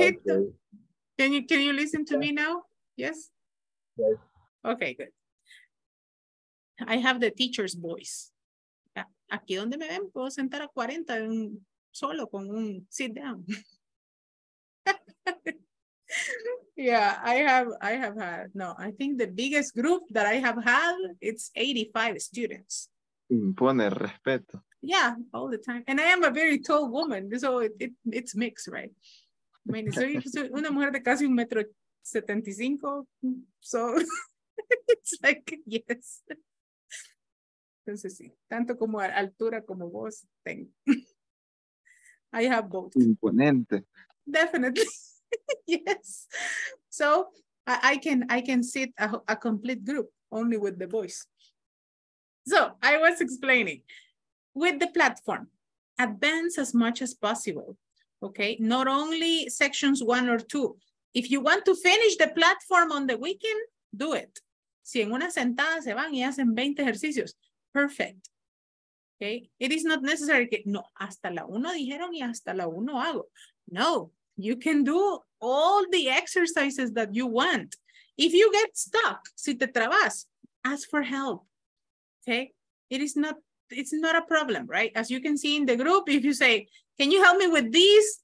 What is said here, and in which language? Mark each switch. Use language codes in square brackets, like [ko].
[es] ejemplo, [en] okay. Can you listen to me now? Yes? Yes. Okay, good. I have the teacher's voice. [es] Aquí donde me ven, puedo sentar a 40 en un, solo con un sit down. [en] Yeah, I have had, no, I think the biggest group that I have had, it's 85 students. [es] Impone respeto. [en] Yeah, all the time. And I am a very tall woman, so it's mixed, right? I mean, [es] soy una mujer de casi 1 metro [en] 75. So it's like, yes. [es] Entonces, sí, tanto como altura como voz, tengo. [en] I have both. [es] Imponente. [en] Definitely. Yes. So I can sit a complete group only with the voice. So I was explaining with the platform, advance as much as possible. Okay. Not only sections one or two. If you want to finish the platform on the weekend, do it. [es] Si en una sentada se van y hacen 20 ejercicios, perfect. Okay. [en] It is not necessary [es] que no, hasta la uno dijeron y hasta la uno hago. [en] No, you can do all the exercises that you want. If you get stuck, [es] si te trabas, [en] ask for help. Okay. It's not a problem, right? As you can see in the group, if you say, can you help me with this?